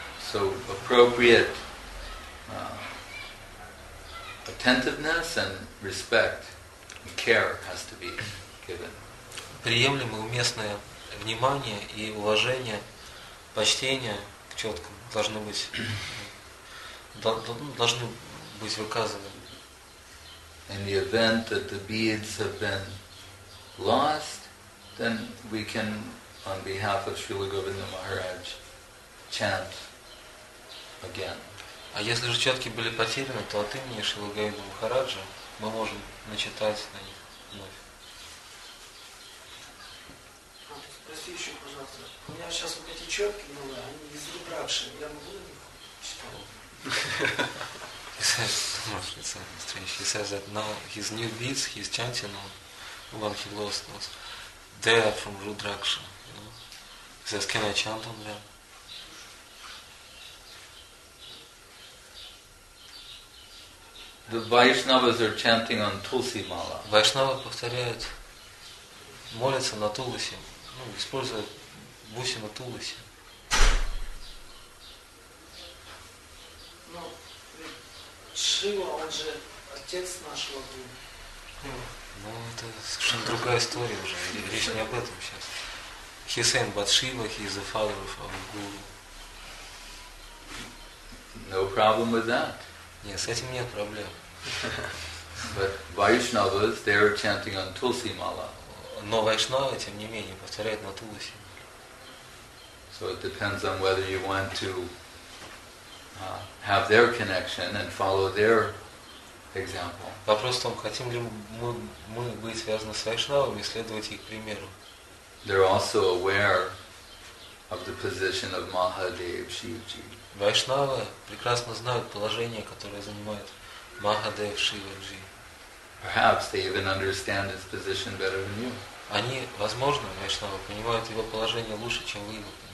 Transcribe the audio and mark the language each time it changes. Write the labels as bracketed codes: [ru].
[en] So appropriate attentiveness and respect and care has to be given. [ru] Приемлемое, уместное внимание и уважение, почтение к четкам должны быть выказаны. [en] In the event that the beads have been lost, then we can, on behalf of Srila Govinda Maharaj, chant again. [ru] А если же четки были потеряны, то от имени Шрилы Говинды Махараджа мы можем начитать на них вновь. Еще, пожалуйста. У меня сейчас вот эти четки новые, они из Рудракши. Я могу на них читать? [en] He says that now his new beats, he's chanting on when he lost those. They are from Rudraksha. You know? He says, can I chant on them? The Vaishnavas are chanting on Tulsi Mala. [ru] Vaishnavas повторяют, молятся на Туласи, ну, используя бусину Туласи. Шива, он же отец нашего Гуру. Ну, это совершенно другая история уже. Речь не об этом сейчас. [en] He saying about Shiva, he is the father of our Guru. No problem with that. [ru] Нет, с этим нет проблем. [en] But Vaishnavas, they are chanting on Tulsi Mala. [ru] Но Вайшнавы, тем не менее, повторяют на Туласи. [en] So it depends on whether you want to have their connection and follow their example. [ru] Вопрос в том, хотим ли мы быть связаны с Вайшнавами и следовать их примеру. [en] They're also aware of the position of Mahadev Shivji. [ru] Вайшнавы прекрасно знают положение, которое занимает Mahadev Shivji. [en] Perhaps they even understand his position better than you. [ru] Они, возможно, Вайшнавы понимают его положение лучше, чем вы его понимаете.